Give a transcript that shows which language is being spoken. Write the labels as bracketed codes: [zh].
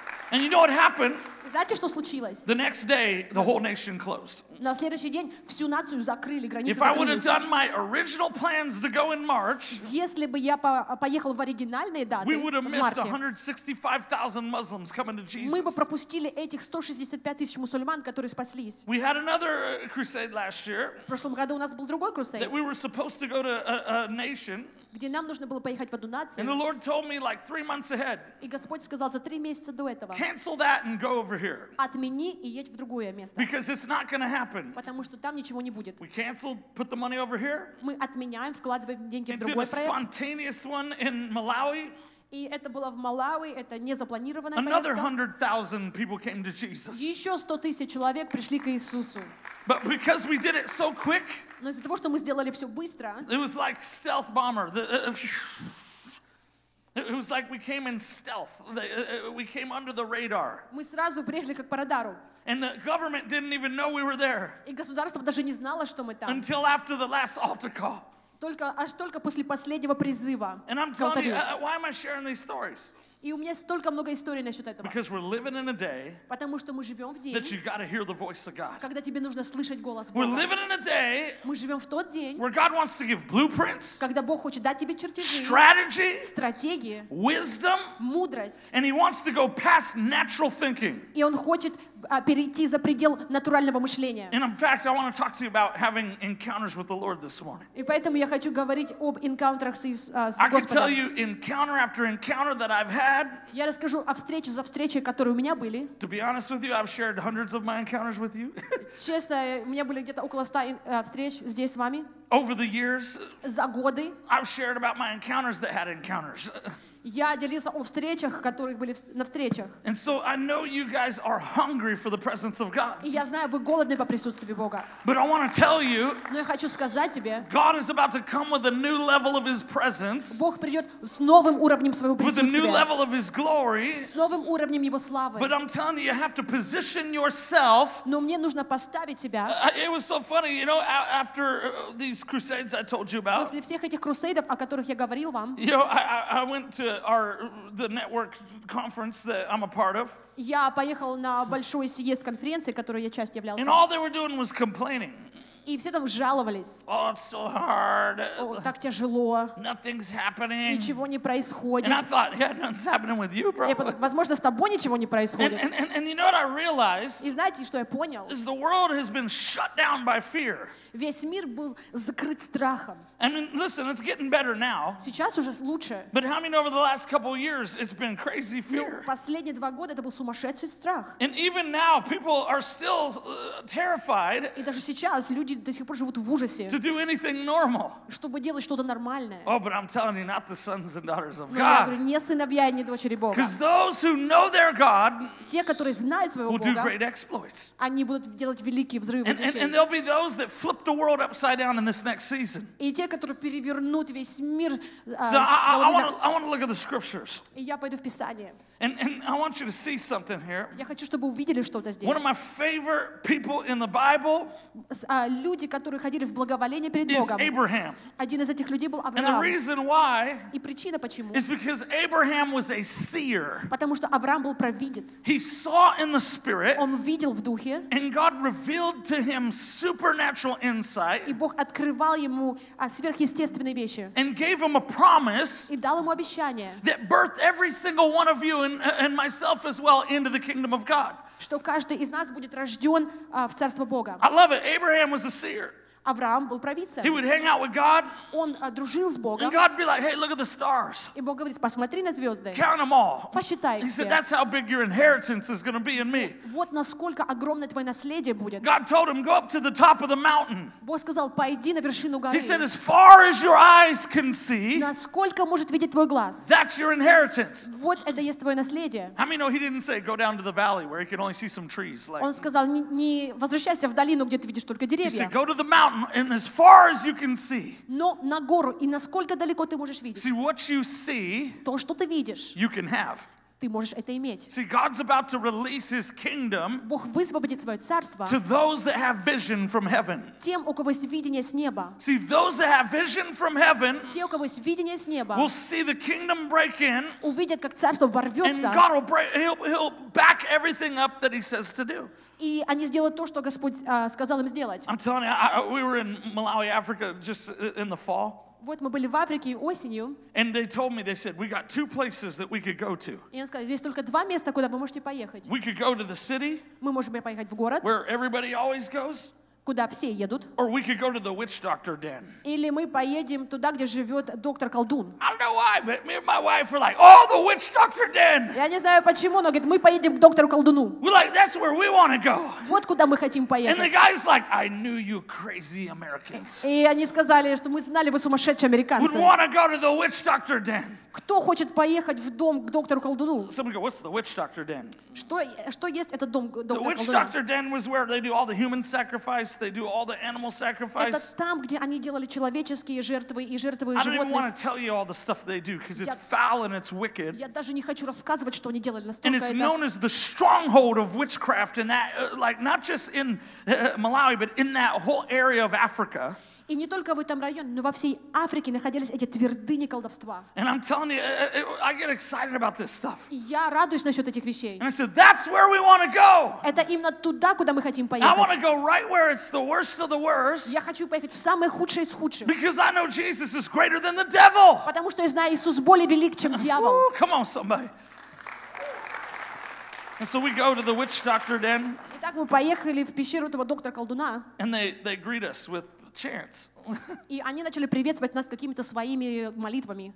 [en] And you know what happened? [ru] Знаете, что случилось? [en] The next day, the whole nation closed. [ru] На следующий день всю нацию закрыли, границы закрылись. [en] If I would have done my original plans to go in March, [ru] если бы я поехал в оригинальные даты, [en] we would have missed 165,000 Muslims coming to Jesus. [ru] Мы бы пропустили этих 165,000 мусульман, которые спаслись. [en] We had another crusade last year. [ru] В прошлом году у нас был другой крусейд. [en] That we were supposed to go to a nation. [ru] Где нам нужно было поехать в одну нацию. [en] And the Lord told me like 3 months ahead. [ru] И Господь сказал за 3 месяца до этого. [en] Cancel that and go over here. [ru] Отмени и едь в другое место. [en] Because it's not going to happen. [ru] Потому что там ничего не будет. [en] We canceled, put the money over here. [ru] Мы отменяем, вкладываем деньги в другой проект. [en] And did a spontaneous one in Malawi. [ru] И это было в Малави, это незапланированная поездка. [en] Another 100,000 people came to Jesus. [ru] Еще 100,000 человек пришли к Иисусу. [en] But because we did it so quick. [ru] Но из-за того, что мы сделали все быстро. [en] It was like stealth bomber. It was like we came in stealth. We came under the radar. [ru] Мы сразу приехали как по радару. [en] And the government didn't even know we were there. [ru] И государство даже не знало, что мы там. [en] Until after the last altar call. [ru] Только после последнего призыва. [en] And I'm telling you, why am I sharing these stories? [ru] И у меня столько много историй насчет этого. [en] Because we're living in a day. [ru] Потому что мы живем в день. [en] That you've got to hear the voice of God. [ru] Когда тебе нужно слышать голос Бога. [en] We're living in a day. [ru] Мы живем в тот день. [en] Where God wants to give blueprints. [ru] Когда Бог хочет дать тебе чертежи. [en] Strategy. [ru] Стратегии. [en] Wisdom. [ru] Мудрость. [en] And He wants to go past natural thinking. [ru] И Он хочет перейти за предел натурального мышления. [en] And in fact, I want to talk to you about having encounters with the Lord this morning. [ru] И поэтому я хочу говорить об [en] encounters [ru] с Господом. [en] I can tell you encounter after encounter that I've had. [ru] Я расскажу о встрече за встречей, которые у меня были. [en] To be honest with you, I've shared hundreds of my encounters with you. [ru] Честно, у меня были где-то около 100 встреч здесь с вами. [en] Over the years, [ru] за годы, [en] I've shared about my encounters that had encounters. [ru] Я делился о встречах, которые были на встречах. [en] And so I know you guys are hungry for the presence of God. [ru] И я знаю, вы голодны по присутствию Бога. [en] But I want to tell you, [ru] но я хочу сказать тебе, [en] God is about to come with a new level of His presence. [ru] Бог придет с новым уровнем своего присутствия. [en] With a new level of His glory. [ru] С новым уровнем Его славы. [en] But I'm telling you, you have to position yourself. [ru] Но мне нужно поставить себя. [en] It was so funny, you know, after these crusades I told you about. [ru] После всех этих крусейдов, о которых я говорил вам. [en] You know, I went to the network conference that I'm a part of. [ru] Я поехал на большой съезд конференции, которой я часть являлся. [en] And all they were doing was complaining. [ru] И все там жаловались. [en] Oh, it's so hard. [ru] Oh, так тяжело. [en] Nothing's happening. [ru] Ничего не происходит. [en] And I thought, yeah, nothing's happening with you, bro. [ru] Возможно, с тобой ничего не происходит. [en] And you know what I realized? [ru] И знаете, что я понял? [en] Is the world has been shut down by fear. [ru] Весь мир был закрыт страхом. [en] And listen, it's getting better now. [ru] Сейчас уже лучше. [en] But how many over the last couple of years it's been crazy fear? [ru] Последние два года это был сумасшедший страх. [en] And even now people are still terrified. [ru] И даже сейчас люди до сих пор живут в ужасе. [en] To do anything normal. [ru] Чтобы делать что-то нормальное. [en] Oh, but I'm telling you, not the sons and daughters of God. [ru] Но я говорю, не сыновья и не дочери Бога. [en] Because those who know their God, [ru] те, которые знают своего Бога, [en] will do great exploits. [ru] Они будут делать великие взрывы. [en] And there'll be those that flip the world upside down in this next season. [ru] Которые перевернут весь мир. [en] I want to look at the scriptures. [ru] Я пойду в Писание. [en] And I want you to see something here. [ru] Я хочу, чтобы увидели что-то здесь. [en] One of my favorite people in the Bible. [ru] Люди, которые ходили в благоволение перед [en] is [ru] Богом. [en] Is Abraham. [ru] Один из этих людей был Авраам. [en] And the reason why. [ru] И причина почему. [en] Is because Abraham was a seer. [ru] Потому что Авраам был провидец. [en] He saw in the spirit. [ru] Он видел в духе. [en] And God revealed to him supernatural insight. [ru] И Бог открывал ему сверхъестественные вещи. [en] And gave him a promise. [ru] И дал ему обещание. [en] That birthed every single one of you. And myself as well into the kingdom of God. [ru] Что каждый из нас будет рожден в царство Бога. [en] I love it. Abraham was a seer. [ru] Авраам был провидцем. [en] He would hang out with God. [ru] Он дружил с Богом. [en] And God would be like, "Hey, look at the stars." [ru] И Бог говорит: "Посмотри на звезды." [en] Count them all. [ru] Посчитай их. [en] He said, "That's how big your inheritance is going to be in me." [ru] Вот насколько огромное твое наследие будет. [en] God told him, "Go up to the top of the mountain." [ru] Бог сказал: "Пойди на вершину горы." [en] He said, "As far as your eyes can see." [ru] Насколько может видеть твой глаз. [en] That's your inheritance. [ru] Вот это есть твое наследие. [en] How many know he didn't say, "Go down to the valley where you can only see some trees"? [ru] Он сказал: "Не возвращайся в долину, где ты видишь только деревья." [en] He said, "Go to the mountain." And as far as you can see. [ru] Но на гору и насколько далеко ты можешь видеть. [en] See what you see. [ru] То, что ты видишь. [en] You can have. [ru] Ты можешь это иметь. [en] See, God's about to release His kingdom. [ru] Бог высвободит свое царство. [en] To those that have vision from heaven. [ru] Тем, у кого есть видение с неба. [en] See, those that have vision from heaven. [ru] Те, у кого есть видение с неба. [en] Will see the kingdom break in. [ru] Увидят, как царство ворвется. [en] And God will break. He'll back everything up that He says to do. [ru] И они сделают то, что Господь сказал им сделать. [en] I'm telling you, we were in Malawi, Africa, just in the fall. [ru] Вот мы были в Африке осенью. [en] And they told me, they said, we got two places that we could go to. [ru] И они сказали, здесь только два места, куда вы можете поехать. [en] We could go to the city. [ru] Мы можем поехать в город. [en] Where everybody always goes. [ru] Куда все едут. [en] Or we could go to the witch doctor den. [ru] Или мы поедем туда, где живет доктор колдун. [en] I don't know why, but me and my wife were like, oh, the witch doctor den. [ru] Я не знаю почему, но говорит, мы поедем к доктору колдуну. [en] We're like, that's where we want to go. [ru] Вот куда мы хотим поехать. [en] And the guy's like, I knew you crazy Americans. [ru] И они сказали, что мы знали, вы сумасшедшие американцы. [en] Would want to go to the witch doctor den. [ru] Кто хочет поехать в дом к доктору колдуну? [en] Somebody go, what's the witch doctor den? [ru] Что есть этот дом доктора колдуна? [en] The witch doctor den was where they do all the human sacrifice. They do all the animal sacrifice. [ru] Это там, где они делали человеческие жертвы и жертвы животных. [en] I don't even want to tell you all the stuff they do because it's foul and it's wicked. [ru] Я даже не хочу рассказывать, что они делали. [en] And it's known as the stronghold of witchcraft in that, like, not just in Malawi, but in that whole area of Africa. [ru] И не только в этом районе, но во всей Африке находились эти твердыни колдовства. [en] And I'm telling you, I get excited about this stuff. [ru] Я радуюсь насчет этих вещей. [en] And I said, that's where we want to go. [ru] Это именно туда, куда мы хотим поехать. [en] I want to go right where it's the worst of the worst. [ru] Я хочу поехать в самое худшее из худших. [en] Because I know Jesus is greater than the devil. [ru] Потому что я знаю, Иисус более велик, чем дьявол. [en] Come on, somebody. And so we go to the witch doctor den. [ru] Итак, мы поехали в пещеру этого доктора колдуна. [en] And they greet us with chants. [ru] И они начали приветствовать нас какими-то своими молитвами.